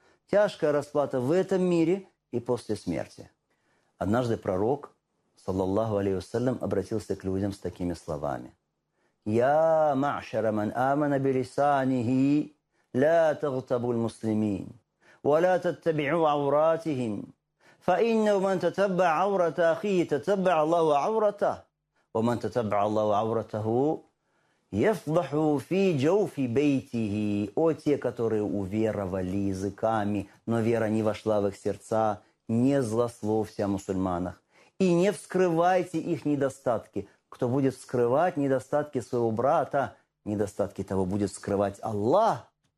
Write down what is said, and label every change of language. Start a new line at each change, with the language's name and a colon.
Russian: Тяжкая расплата в этом мире и после смерти. Однажды пророк, саллаллаху алейхи вассалям, обратился к людям с такими словами:
Arabic: «Я ма'шара ман амана билисанихи, ла тагтабу аль-муслимин, ва ла таттаби'у ауратихим. فإنه من تتبع عورة أخيه تتبع الله عورته، ومن تتبع الله عورته يفضح في جوف بيته.
Russian: О те, которые уверовали языками, но вера не вошла в их сердца, не злословьте о мусульманах и не вскрывайте их недостатки. Кто будет вскрывать недостатки своего брата, недостатки того будет скрывать Аллах.